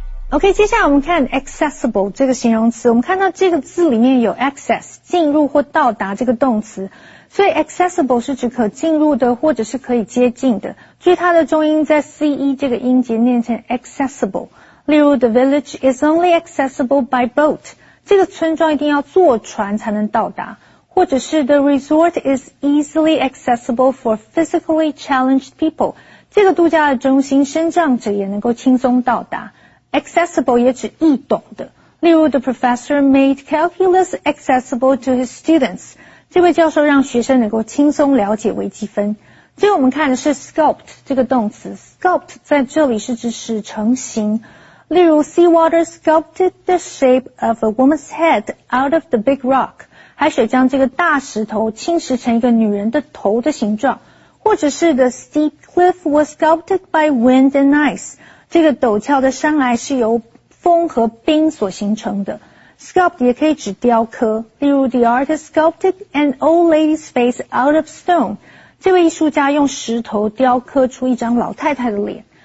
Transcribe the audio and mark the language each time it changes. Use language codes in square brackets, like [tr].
[zh] OK, 接下来我们看 accessible 这个形容词。我们看到这个字里面有 access, 进入或到达这个动词。所以 accessible 是指可进入的或者是可以接近的。注意它的重音在 CE 这个音节念成 accessible。例如 [en] the village is only accessible by boat. [zh] 这个村庄一定要坐船才能到达。或者是 [en] the resort is easily accessible for physically challenged people. [zh] 这个度假的中心身障者也能够轻松到达。 Accessible 也指易懂的。例如 [en] the professor made calculus accessible to his students. [zh] 这位教授让学生能够轻松了解微积分。最后我们看的是 sculpt 这个动词。Sculpt 在这里是指使成型。例如 [en] seawater sculpted the shape of a woman's head out of the big rock. [zh] 海水将这个大石头侵蚀成一个女人的头的形状。或者是 [en] the steep cliff was sculpted by wind and ice. [zh] 这个陡峭的山崖是由风和冰所形成的。 [en] Sculpt [zh] 也可以指雕刻。例如 [en] the artist sculpted an old lady's face out of stone. [zh] 这位艺术家用石头雕刻出一张老太太的脸。